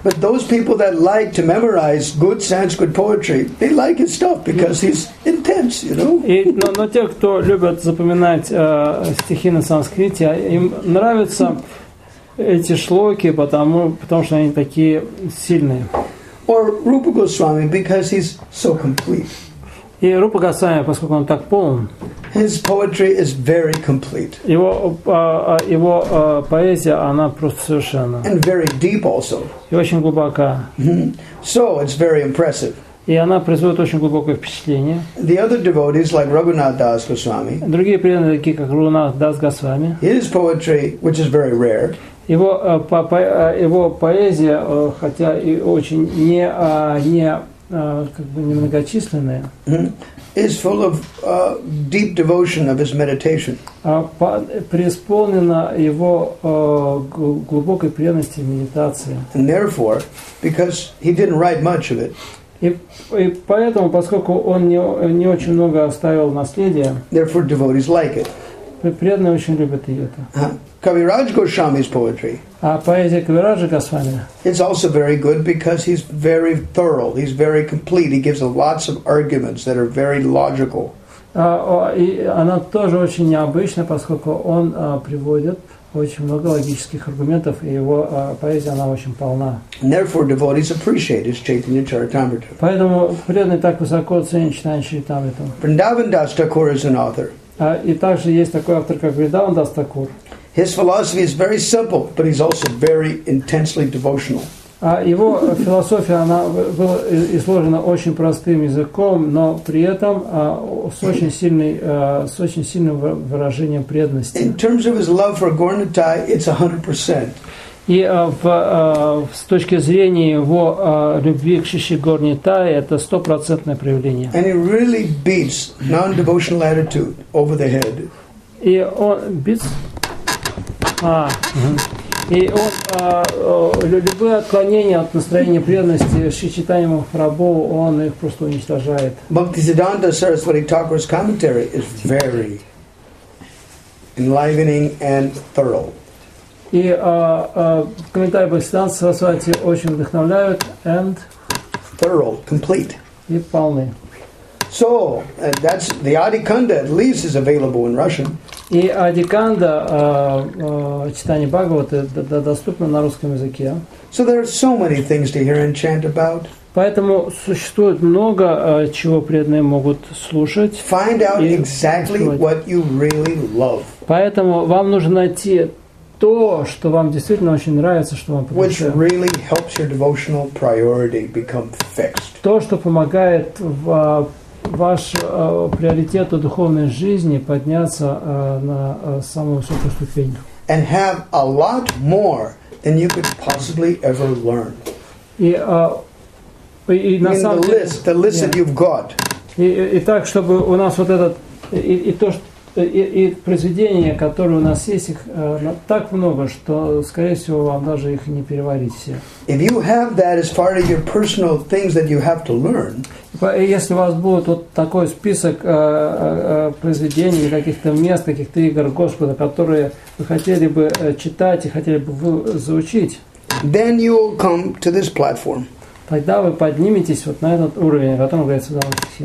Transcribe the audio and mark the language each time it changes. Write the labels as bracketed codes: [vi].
[en] But those people that like to memorize good Sanskrit poetry, they like his stuff because he's intense, you know. [ru] Но те, кто любят запоминать стихи на санскрите, им нравятся эти шлоки, потому что они такие сильные. [en] Or Rupa Goswami, because he's so complete. [ru] И Рупа Госвами, поскольку он так полон. [en] His poetry is very complete. [ru] Его поэзия, она просто совершенна. [en] And very deep also. [ru] И очень глубока. [en] Mm-hmm. So it's very impressive. [ru] И она производит очень глубокое впечатление. [en] The other devotees, like Raghunath Das Goswami. [ru] Другие преданные, такие как Рагунатх Дас Госвами. [en] His poetry, which is very rare. [ru] Его поэзия, хотя и очень не многочисленная, [en] is full of deep devotion of his meditation. [ru] Преисполнена его глубокой преданности медитации. [en] And therefore, because he didn't write much of it. [ru] И поэтому, поскольку он не очень много оставил наследия, [en] therefore devotees like it. [ru] Преданные очень любят это. [en] Kaviraj Goswami's poetry. [ru] А поэзия Кавираджа Госвами. [en] It's also very good because he's very thorough. He's very complete. He gives lots of arguments that are very logical. [ru] И она тоже очень необычная, поскольку он приводит очень много логических аргументов, и его поэзия она очень полна. [en] And therefore, devotees appreciate his Chaitanya Charitamrita. [ru] Поэтому преданные так высоко ценят Чайтанья Чаритамриту. [en] Vrindavan Das Thakur is an author. [ru] И также есть такой автор, как Vrindavan Das Thakur. [en] His philosophy is very simple, but he's also very intensely devotional. [ru] Его философия она была изложена очень простым языком, но при этом с очень сильным выражением преданности. [en] In terms of his love for Gaur-Nitai, it's 100%. [ru] И с точки зрения его любви к Шиши Гор-Нитай, это 100% проявление. [en] And it really beats non-devotional attitude over the head. [ru] И он [en] beats. [ru] И он любые отклонения от настроения преданности Шри Чайтанья Махапрабху, он их просто уничтожает. [en] Bhaktisiddhanta Saraswati Thakur's commentary is very enlivening and thorough. [ru] И комментарии Бхактисиддханты Сарасвати очень вдохновляют [en] and thorough, complete. [ru] И полны. [en] So that's the Adikanda at least is available in Russian. [ru] И Адиканда читание Бхагавата доступно на русском языке. [en] So there are so many things to hear and chant about. [ru] Поэтому существует много чего преданные могут слушать. [en] Find out exactly what you really love. [ru] Поэтому вам нужно найти то, что вам действительно очень нравится, что вам подходит. [en] Which really helps your devotional priority become fixed. [ru] То, что помогает ваш приоритет в духовной жизни подняться на самую высокую ступень. [en] And have a lot more than you could possibly ever learn. The list that you've got. [ru] И так, чтобы у нас вот этот и то, что и произведения, которые у нас есть, их так много, что, скорее всего, вам даже их не переварить все. [en] If you have that as far as your personal things that you have to learn, [ru] если у вас будет вот такой список произведений, каких-то мест, каких-то игр Господа, которые вы хотели бы читать и хотели бы заучить, [en] then you will come to this platform. [ru] Тогда вы подниметесь вот на этот уровень, о котором говорится в данном стихе.